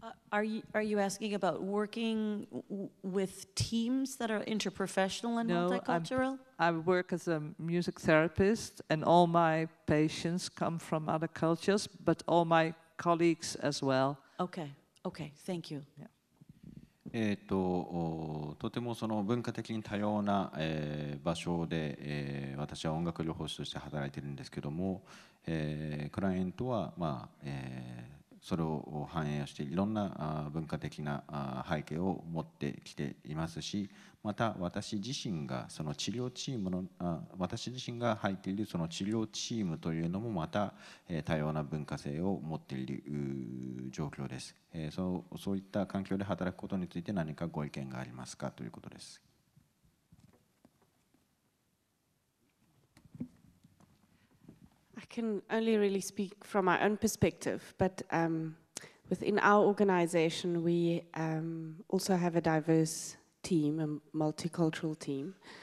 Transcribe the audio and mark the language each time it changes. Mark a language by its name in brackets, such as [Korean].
[English] Are you asking about working with teams that are interprofessional and multicultural? I work as a music therapist, and all my patients come from other cultures, but all my colleagues as well. Okay, thank you. Yeah. [Japanese] とてもその文化的に多様な、場所で、私は音楽療法士として働いているんですけども、クライアントは、まあそれを反映して、いろんな文化的な背景を持ってきていますし、また私自身がその治療チームの私自身が入っているその治療チームというのもまた多様な文化性を持っている状況です。そういった環境で働くことについて何かご意見がありますかということです。 [English] I can only really speak from my own perspective, but within our organization, we also have a diverse team, a multicultural team.